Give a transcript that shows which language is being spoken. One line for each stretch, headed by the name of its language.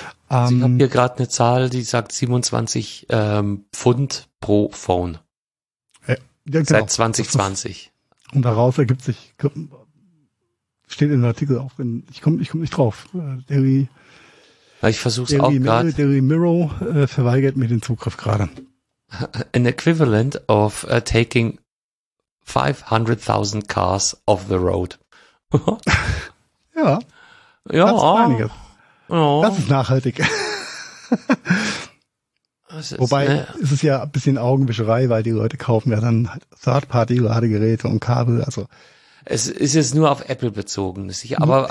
German: Ich habe hier gerade eine Zahl, die sagt 27 Pfund pro Phone. Ja, genau. Seit 2020. Und daraus ergibt sich, steht in dem Artikel auf, ich komm nicht drauf. Ich versuche es auch gerade. Daily Mirror verweigert mir den Zugriff gerade.
English: An equivalent of taking 500,000 cars off the road.
German: Ja. Ja. Das ist einiges. Ja. Das ist nachhaltig. Wobei, ist es ja ein bisschen Augenwischerei, weil die Leute kaufen ja dann Third-Party-Ladegeräte und Kabel, also. Es ist jetzt nur auf Apple bezogen, aber